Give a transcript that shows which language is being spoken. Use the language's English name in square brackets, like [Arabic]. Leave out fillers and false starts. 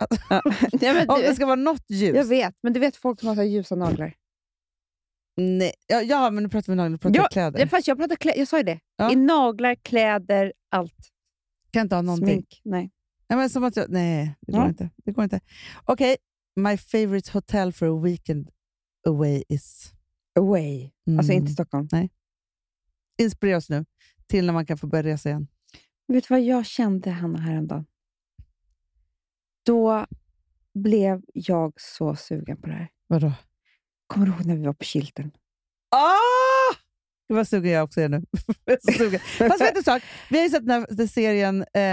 [Swedish] Ja, men om det ska vara något ljus. Jag vet, men du vet folk som har så ljusa naglar. Nej, ja, men du pratar med naglar, du pratar kläder. Ja, fast jag pratar kläder, jag sa ju det. Ja. I naglar, kläder, allt. Kan inte ha någonting. Smink, nej. Nej, men som att jag, nej, det går inte. Det går inte. Okej. [English] Okay. My favorite hotel for a weekend away is... [Swedish] Away? Alltså inte Stockholm? Nej. Inspirera oss nu. Till när man kan få börja resa igen. Vet du vad jag kände, Hanna, häromdagen? Då blev jag så sugen på det här. Vadå? Kommer du ihåg när vi var på Kilten? Vad sugen jag också är nu. Fast vet du en sak? Vi har ju sett den serien.